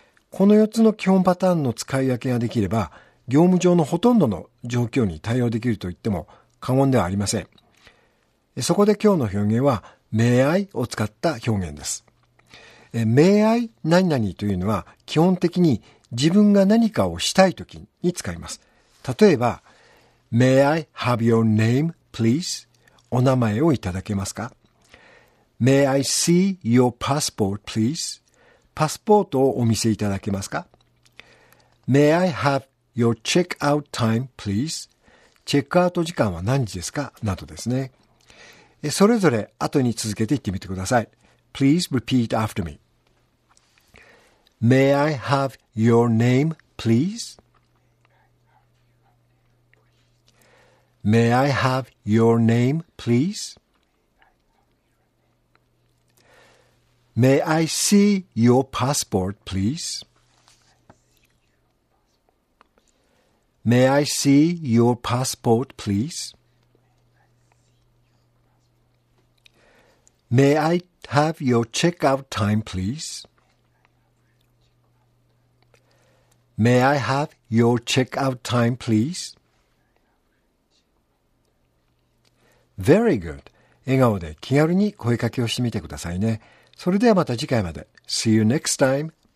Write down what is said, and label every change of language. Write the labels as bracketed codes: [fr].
[ja] この4つの基本パターンの使い分けができれば、業務上のほとんどの状況に対応できると言っても過言ではありません。そこで今日の表現は、May I? を使った表現です。May I? 何々というのは、基本的に自分が何かをしたいときに使います。 [en] 例えば、May I have your name, please? [ja] お名前をいただけますか [en] ?May I see your passport, please? [ja] パスポートをお見せいただけますか [en] ?May I have your checkout time, please? [ja] チェックアウト時間は何時ですかなどですね。それぞれ後に続けて言ってみてください。 [en] Please repeat after me.May I have your name, please? May I have your name, please? May I see your passport, please? May I see your passport, please? May I have your checkout time, please? May I have your checkout time, please? Very good. [ja] 笑顔で気軽に声かけをしてみてくださいね。それではまた次回まで。 [en] See you next time.